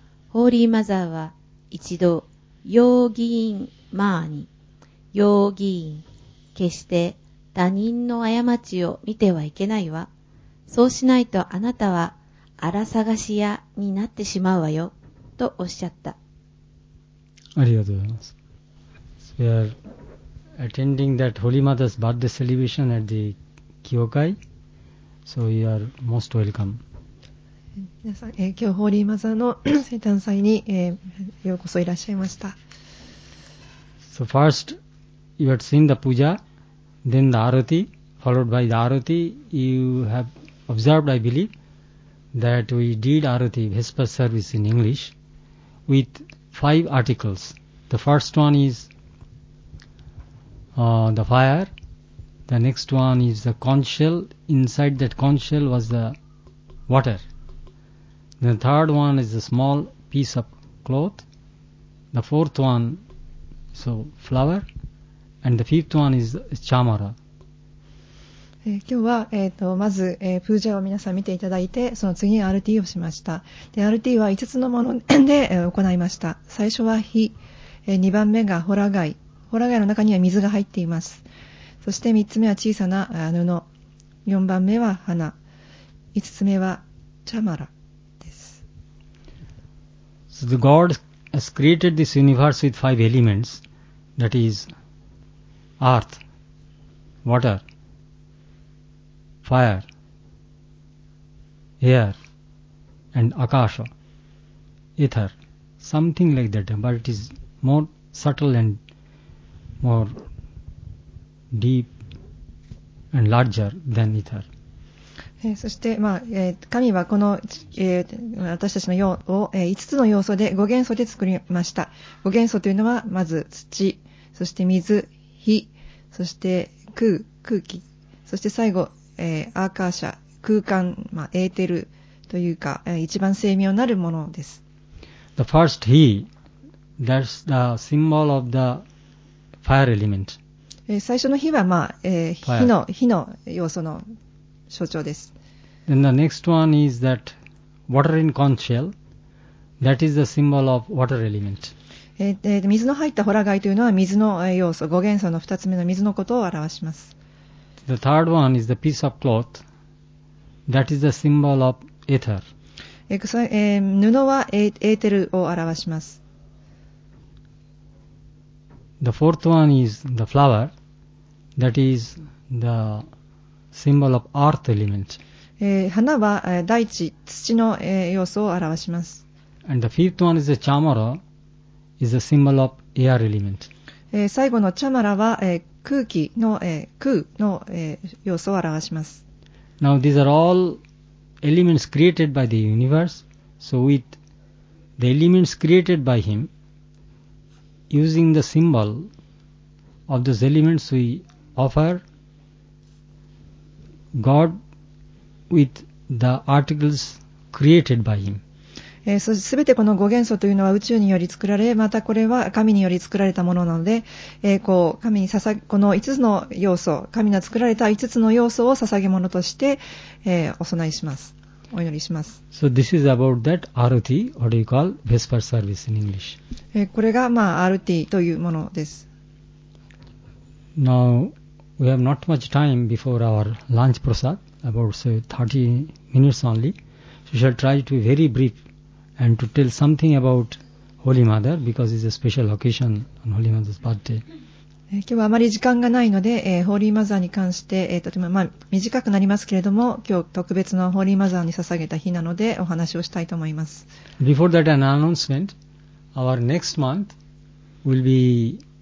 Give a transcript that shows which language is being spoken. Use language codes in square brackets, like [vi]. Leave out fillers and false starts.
[ja] ホーリーマザーは一度、容疑員マーに、容疑員、決して他人の過ちを見てはいけないわ。そうしないとあなたは荒探し屋になってしまうわよ、とおっしゃった。ありがとうございます。 [en] Attending that Holy Mother's birthday celebration at the Kyokai. So you are most welcome. 皆さん、今日ホーリーマザーの生誕祭に、ようこそいらっしゃいました。 So first, you had seen the puja, then the arati, followed by the arati. You have observed, I believe, that we did arati, Vesper service in English, with five articles. The first one is the fire. The next one is the conch shell. Inside that conch shell was the water. The third one is a small piece of cloth. The fourth one, so flower. And the fifth one is chamara. [ja] 今日は、まず、プージャを皆さん見ていただいて、その次に RT をしました。で、RT は5つのもので行いました。最初は火、2番目がホラガイ。ホラガイの中には水が入っています。そして3つ目は小さな布、4番目は花、5つ目はチャマラです。 [en] So the God has created this universe with five elements, that is earth, water, fire, air and akasha, ether, something like that, but it is more subtle andmore deep and larger than ether. [ja] そして、まあ神はこの、私たちの要を、5つの要素で5元素で作りました。 5元素というのはまず土、そして水、火、そして空気、そして最後、アーカーシャ、空間、まあ、エーテルというか、一番精妙なるものです。 [en] The first he, that's the symbol of the fire element. [ja] 最初の火は、まあ火の要素の象徴です。 [en] Then the next one is that water in conch shell. That is the symbol of water element. [ja] 水の入ったホラガイというのは水の要素、五元素の二つ目の水のことを表します。 [en] The third one is the piece of cloth. That is the symbol of ether. [ja] 布はエーテルを表します。 [en] The fourth one is the flower. That is the symbol of earth element. [ja] 花は大地、土の要素を表します。 [en] And the fifth one is the chamara, is the symbol of air element. [ja] 最後のチャマラは空気の空の要素を表します。 [en] Now these are all elements created by the universe. So with the elements created by him, using the symbol of those elements, we offer God with the articles created by him. [ja] そしてすべてこの五元素というのは宇宙により作られ、またこれは神により作られたものなので、こう神に捧げ、この5つの要素、神が作られた5つの要素を捧げ物として、お供えします。お祈りします。 [en] So this is about that RT, what do you call Vesper service in English? [ja] これが、まあ、RT というものです。 [en] Now,We have not much time before our lunch prasad, about say, 30 minutes only. We shall try to be very brief and to tell something about Holy Mother because it's a special occasion on Holy Mother's birthday. [ja] 今日はあまり時間がないので、ホーリーマザーに関して、とても、まあ、短くなりますけれども、今日特別のホーリーマザーに捧げた日なのでお話をしたいと思います。 [en] Before that announcement, our next month will be...